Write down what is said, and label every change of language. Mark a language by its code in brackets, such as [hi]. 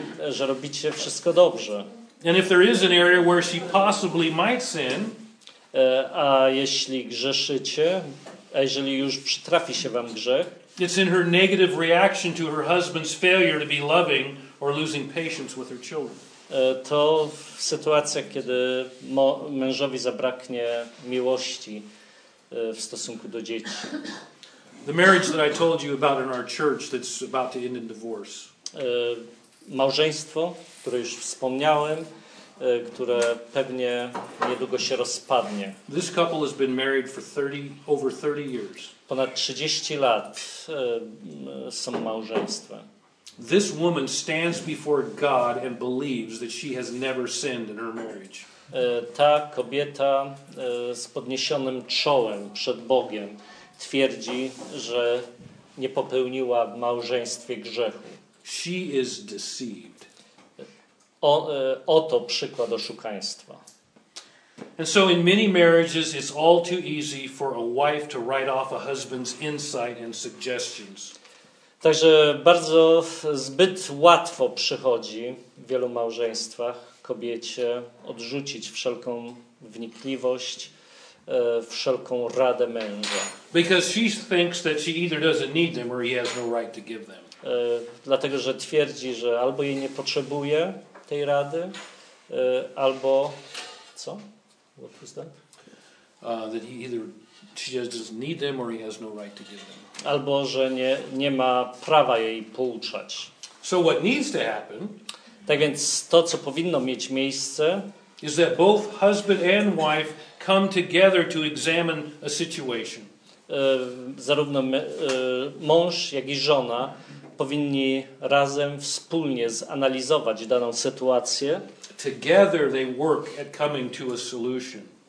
[pl] Że robicie wszystko dobrze. [en] And if there is an area where she possibly might sin, [pl] a jeśli grzeszycie, a jeżeli już przytrafi się wam grzech, [en] it's in her negative reaction to her husband's failure to be loving or losing patience with her children. [pl] To w sytuacjach, kiedy mężowi zabraknie miłości w stosunku do dzieci. [en] The marriage that I told you about in our church that's about to end in divorce. [pl] Małżeństwo, które już wspomniałem, które pewnie niedługo się rozpadnie. [en] This couple has been married for over 30 years. [pl] Ponad 30 lat są małżeństwem. [en] This woman stands before God and believes that she has never sinned in her marriage. [pl] Ta kobieta z podniesionym czołem przed Bogiem twierdzi, że nie popełniła w małżeństwie grzechu. [en] She is deceived. [pl] Oto przykład oszukaństwa. [en] And so in many marriages it's all too easy for a wife to write off a husband's insight and suggestions. [pl] Także bardzo zbyt łatwo przychodzi w wielu małżeństwach kobiecie odrzucić wszelką wnikliwość, wszelką radę męża. [en] Because she thinks that she either doesn't need them or he has no right to give them. [pl] Dlatego, że twierdzi, że albo jej nie potrzebuje tej rady, albo co? [en] What was that? That he either she just doesn't need them or he has no right to give them. [pl] Albo że nie ma prawa jej pouczać. [en] So what needs to happen, [pl] tak więc to, co powinno mieć miejsce, [en] is that both husband and wife come together to examine a situation. [pl] Zarówno mąż, jak i żona powinni razem, wspólnie zanalizować daną sytuację. [en] Together they work at coming to a solution.